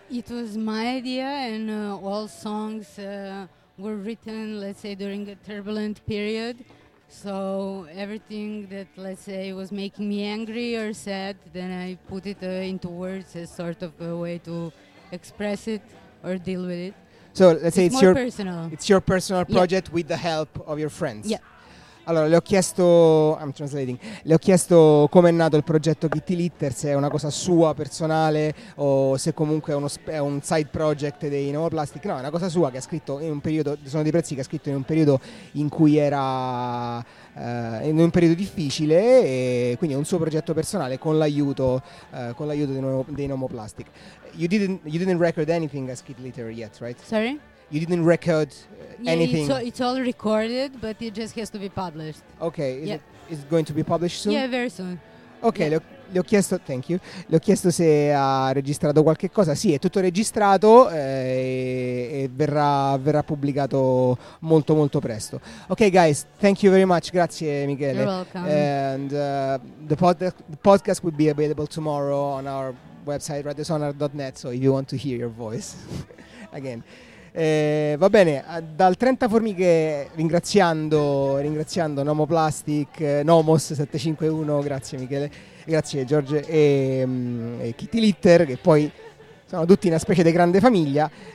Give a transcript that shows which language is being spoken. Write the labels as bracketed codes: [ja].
[en] It was my idea, and all songs were written, let's say, during a turbulent period. So everything that, let's say, was making me angry or sad, then I put it into words as sort of a way to express it or deal with it. So let's say it's more your personal. It's your personal project with the help of your friends. Yeah. [it] Allora, le ho chiesto come è nato il progetto Kitty Litter, se è una cosa sua, personale, o se comunque è un side project dei Nomo Plastic. No, è una cosa sua che ha scritto in un periodo, sono dei pezzi che ha scritto in un periodo in cui era in un periodo difficile, e quindi è un suo progetto personale con l'aiuto dei Nomo Plastic. [en] You didn't record anything as Kitty Litter yet, right? Sorry? You didn't record anything? Yeah, it's all recorded, but it just has to be published. Okay, is it going to be published soon? Yeah, very soon. Okay, yeah. [it] Le ho chiesto se ha registrato qualche cosa. Sì, è tutto registrato e verrà pubblicato molto molto presto. [en] Okay, guys, thank you very much. [it] Grazie, Michele. [en] You're welcome. And the podcast will be available tomorrow on our website, radiosonar.net, so if you want to hear your voice again. [it] Va bene, dal 30 formiche ringraziando Nomo Plastic, Nomos 751, grazie Michele, grazie George e Kitty Litter, che poi sono tutti una specie di grande famiglia.